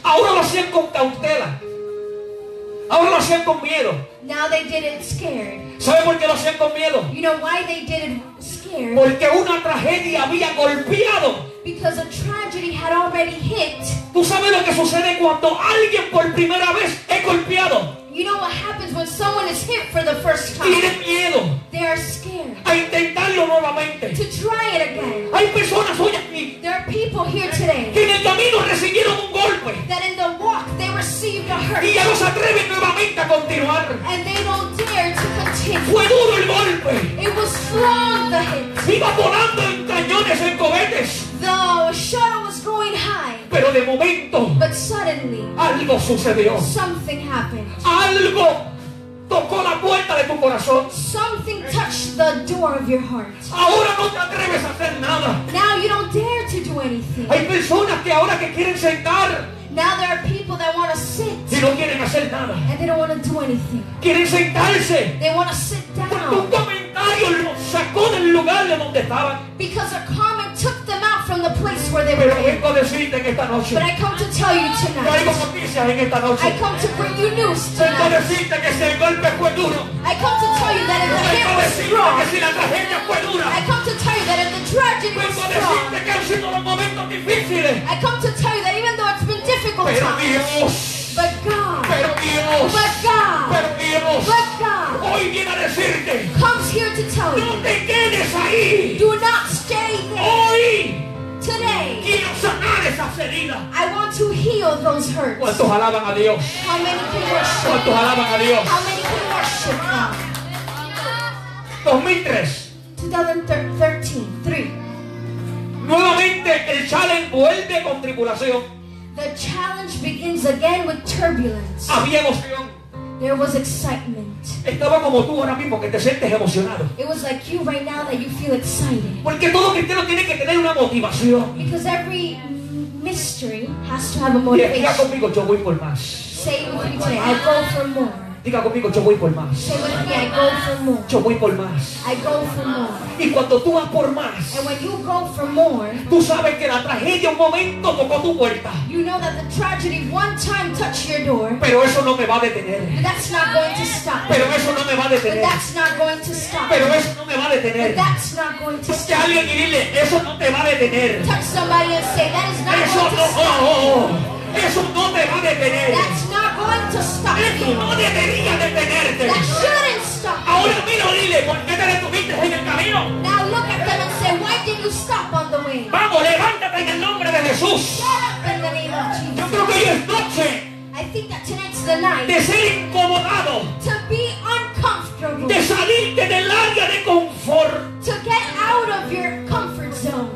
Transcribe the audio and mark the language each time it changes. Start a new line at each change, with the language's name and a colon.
Spanish: ahora lo hacían con cautela, ahora lo hacían con miedo.
English: Now they did it scared.
Spanish: ¿Sabe por qué lo hacían con miedo?
English: You know why they did it scared?
Spanish: Porque una tragedia había golpeado.
English: Because a tragedy had already hit.
Spanish: ¿Tú sabes lo que sucede cuando alguien por primera vez es golpeado?
English: You know what happens when someone is hit for the first time?
Spanish: Miedo.
English: They are scared.
Spanish: A intentarlo nuevamente.
English: To try it again.
Spanish: Hay personas hoy aquí.
English: There are people here today.
Spanish: Que en el camino recibieron un golpe.
English: That in the walk they received a hurt.
Spanish: Y ya no se atreven nuevamente a continuar.
English: And they don't dare to continue.
Spanish: Fue duro el golpe.
English: It was strong, the hit.
Spanish: Iba volando en cañones, en cohetes.
English: The shuttle was going high.
Spanish: Pero de momento.
English: But suddenly.
Spanish: Algo sucedió.
English: Something happened.
Spanish: Algo tocó la puerta de tu corazón.
English: Something touched the door of your heart.
Spanish: Ahora no te atreves a hacer nada.
English: Now you don't dare to do anything.
Spanish: Hay personas que ahora que quieren sentar.
English: Now there are people that want to sit.
Spanish: Y no quieren hacer nada.
English: And they don't want to do anything.
Spanish: Quieren sentarse.
English: They want to sit down.
Spanish: Un comentario lo sacó del lugar de donde estaban.
English: Because a comment took them out from the place where they were.
Spanish: Pero vengo a decirte en esta noche.
English: But I come to tell you tonight.
Spanish: Traigo noticias en esta noche.
English: I come to bring you news tonight.
Spanish: Vengo a decirte que si el golpe fue duro.
English: I come to tell you that if the hit was strong.
Spanish: Que si la tragedia fue dura.
English: I come to tell you that if the tragedy was strong.
Spanish: Vengo a decirte que han sido los momentos difíciles.
English: I come to tell you that even though it's been difficult.
Spanish: Pero Dios.
English: But God.
Spanish: Pero Dios.
English: But God.
Spanish: Pero Dios.
English: But God.
Spanish: Hoy viene a decir.
English: Do not stay there.
Spanish: Hoy.
English: Today.
Spanish: Quiero sanar esas heridas.
English: I want to heal those hurts.
Spanish: ¿Cuántos alaban a Dios?
English: How many can worship?
Spanish: ¿Cuántos alaban a Dios?
English: How many can worship?
Spanish: 2003.
English: 2013.
Spanish: Nuevamente el challenge vuelve con tribulación.
English: The challenge begins again with turbulence.
Spanish: Había emoción.
English: There was excitement.
Spanish: Estaba como tú ahora mismo, que te sientes emocionado.
English: It was like you right now that you feel excited.
Spanish: Porque todo cristiano tiene que tener una motivación.
English: Because every mystery has to have a motivation.
Spanish: Diga conmigo, yo voy por más.
English: Say with me today, I go for more.
Spanish: Diga conmigo, yo voy por más.
English: Say with me, I go for more.
Spanish: Yo voy por más.
English: I go for more.
Spanish: Y cuando tú vas por más,
English: and when you go for more,
Spanish: tú sabes que la tragedia un momento tocó tu puerta.
English: You know that the tragedy one time touched your door.
Spanish: Pero eso no me va a detener.
English: But that's not going to stop.
Spanish: Pero eso no me va a detener.
English: But that's not going to stop.
Spanish: Pero eso no me va a detener.
English: But that's not going to stop.
Spanish: Alguien y dile, eso no te va a detener.
English: Touch somebody and say, that is not
Spanish: eso
English: going to
Spanish: no,
English: stop.
Spanish: Oh, oh, oh. Eso no te va a detener.
English: That's not going to stop.
Spanish: Eso no debería detenerte.
English: That shouldn't stop.
Spanish: Ahora mira, dile, ¿por qué te detuviste en el camino?
English: Now look at them and say, why did you stop on the way?
Spanish: Vamos, levántate en el nombre de Jesús.
English: Get up in the name of Jesus.
Spanish: Yo creo que hoy es noche.
English: I think that tonight's the night.
Spanish: De ser incomodado.
English: To be uncomfortable.
Spanish: De salirte del área de confort.
English: To get out of your comfort zone.